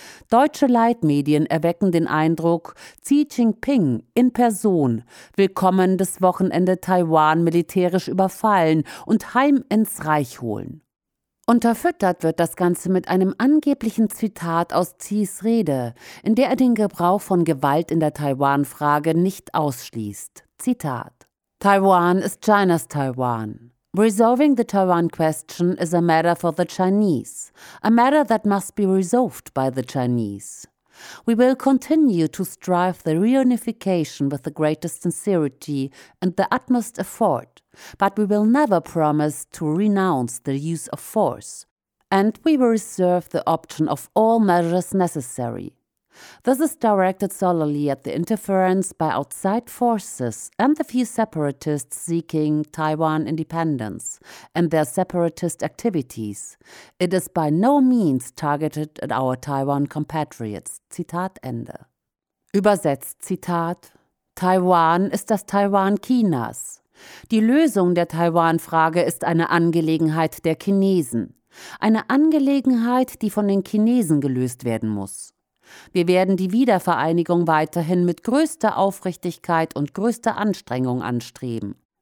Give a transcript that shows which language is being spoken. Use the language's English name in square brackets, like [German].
[German] Deutsche Leitmedien erwecken den Eindruck, Xi Jinping in Person will kommendes Wochenende Taiwan militärisch überfallen und heim ins Reich holen. Unterfüttert wird das Ganze mit einem angeblichen Zitat aus Xis Rede, in der er den Gebrauch von Gewalt in der Taiwan-Frage nicht ausschließt. [English] Zitat: Taiwan is China's Taiwan. Resolving the Taiwan question is a matter for the Chinese, a matter that must be resolved by the Chinese. We will continue to strive for reunification with the greatest sincerity and the utmost effort, but we will never promise to renounce the use of force, and we will reserve the option of all measures necessary. This is directed solely at the interference by outside forces and the few separatists seeking Taiwan independence and their separatist activities. It is by no means targeted at our Taiwan compatriots. [German] Zitat Ende. Übersetzt Zitat: Taiwan ist das Taiwan Chinas. Die Lösung der Taiwan-Frage ist eine Angelegenheit der Chinesen. Eine Angelegenheit, die von den Chinesen gelöst werden muss. Wir werden die Wiedervereinigung weiterhin mit größter Aufrichtigkeit und größter Anstrengung anstreben.